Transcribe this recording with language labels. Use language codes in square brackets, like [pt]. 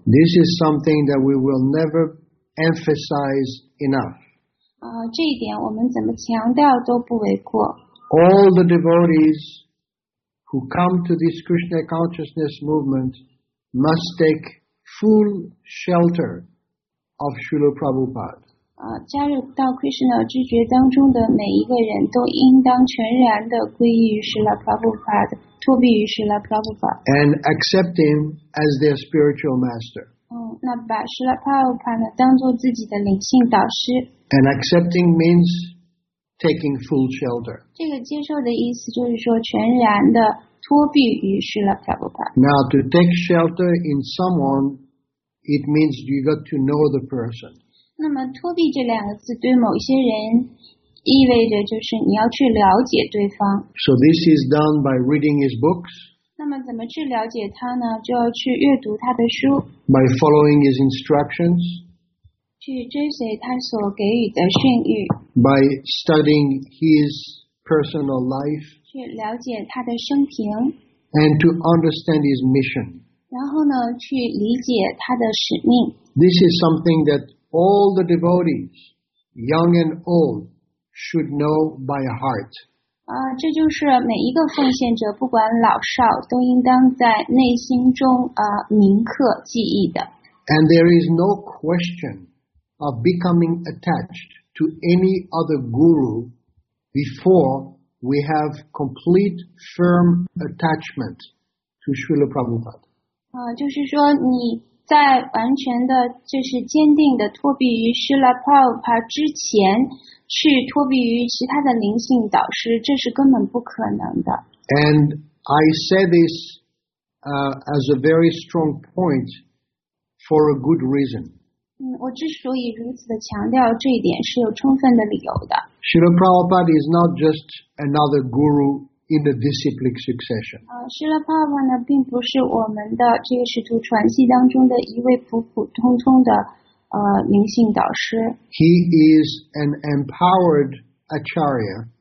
[en] This is something that we will never emphasize enough. [zh] 这一点我们怎么强调都不为过。 [en] All the devotees who come to this Krishna consciousness movement must take full shelter of Srila Prabhupada. [zh] 加入到 Krishna 知觉当中的每一个人都应当全然的皈依于 Srila Prabhupada, 托庇于 Srila Prabhupada. [en] And accept him as their spiritual master. [zh] 那把 Srila Prabhupada 当作自己的灵性导师。 [en] And accepting means taking full shelter. [zh] 这个接受的意思就是说全然的托庇于 Srila Prabhupada. [en] Now to take shelter in someone, it means you got to know the person. [zh] 那么托庇这两个字对某些人意味着就是你要去了解对方。 [en] So this is done by reading his books. [zh] 那么怎么去了解他呢？就要去阅读他的书。 [en] By following his instructions. [zh] 去追随他所给予的训谕 [en] By studying his personal life, [zh] 去了解他的生平, [en] and to understand his mission. [zh] 然后呢,去理解他的使命。 [en] This is something that all the devotees, young and old, should know by heart. [zh] 这就是每一个奉献者,不管老少,都应当在内心中,铭刻记忆的。 [en] And there is no question of becoming attached to any other guru before we have complete firm attachment to Srila Prabhupada. [zh] 就是说你在完全的就是坚定的托庇于 Srila Prabhupada 之前去托庇于其他的灵性导师这是根本不可能的。 [en] And I say this, as a very strong point for a good reason. [zh] 我之所以如此的强调这一点是有充分的理由的。 [en] Srila Prabhupada is not just another guru in the disciplic succession. [zh] Srila Prabhupada 并不是我们的这个使徒传系当中的一位普普通通的灵性导师。 [en] He is an empowered acharya.